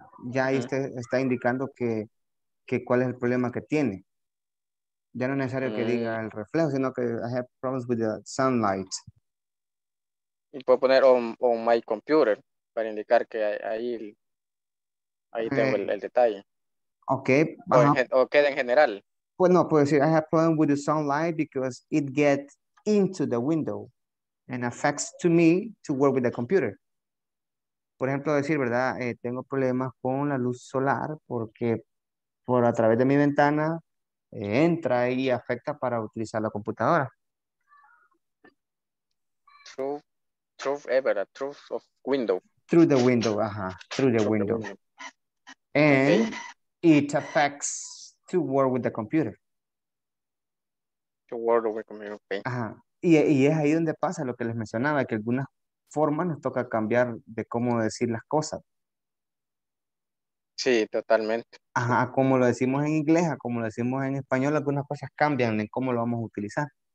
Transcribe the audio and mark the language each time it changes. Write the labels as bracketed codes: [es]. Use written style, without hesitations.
[es] Ya ahí usted está indicando que cuál es el problema que tiene. Ya no es necesario que diga el reflejo, sino que [en] I have problems with the sunlight. [es] Y puedo poner [en] on my computer [es] para indicar que ahí tengo el detalle. Ok. O queda en general. Pues no, puedo decir [en] I have problems with the sunlight because it gets into the window and affects to me to work with the computer. [es] Por ejemplo, decir, ¿verdad? Tengo problemas con la luz solar porque por a través de mi ventana entra y afecta para utilizar la computadora. [en] Through ever, through of window. Through the window, ajá. Through the window. And it affects to work with the computer. To work with the computer. Okay. Ajá. [es] Y es ahí donde pasa lo que les mencionaba, que algunas formas nos toca cambiar de cómo decir las cosas. Sí, totalmente. Ajá, como lo decimos en inglés, como lo decimos en español, algunas cosas cambian en cómo lo vamos a utilizar.